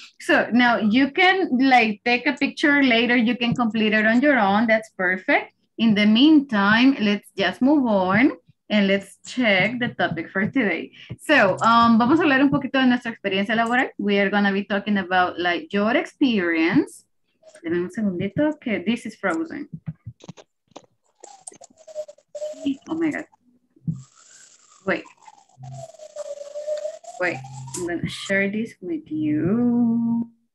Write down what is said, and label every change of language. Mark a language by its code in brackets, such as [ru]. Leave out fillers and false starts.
[en] So now you can like take a picture later. You can complete it on your own. That's perfect. In the meantime, let's just move on and let's check the topic for today. [es] So vamos a hablar un poquito de nuestra experiencia laboral. [en] We are going to be talking about like your experience. [es] Denme un segundito. [en] Okay, this is frozen. Oh my God. Wait, I'm gonna share this with you.